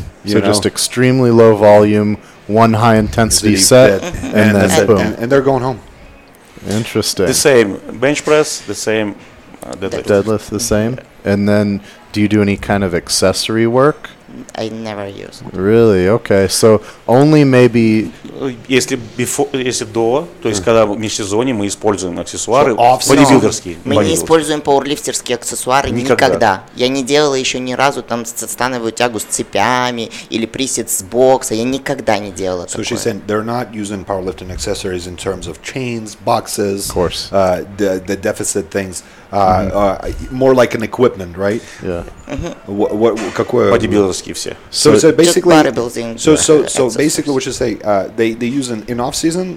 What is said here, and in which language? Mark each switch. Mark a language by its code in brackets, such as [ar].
[en] So just extremely low volume, one high intensity set, and then boom. And they're going home. Interesting. The same bench press, the same deadlift. Deadlift the same. And then do you do any kind of accessory work? I never use. Really? Okay. So only maybe... [ru] Если до, то есть когда в межсезонье мы используем аксессуары, бодибилдерские. Мы не используем пауэрлифтерские аксессуары никогда. Я не делала еще ни разу там становую тягу с цепями или присед с бокса. Я никогда не делала такое. [en] So she said they're not using powerlifting accessories in terms of chains, boxes, of course. The deficit things. More like an equipment, right? Yeah. [ru] Какое? Бодибилдерские все. [en] So basically, what you say? They use an in off season.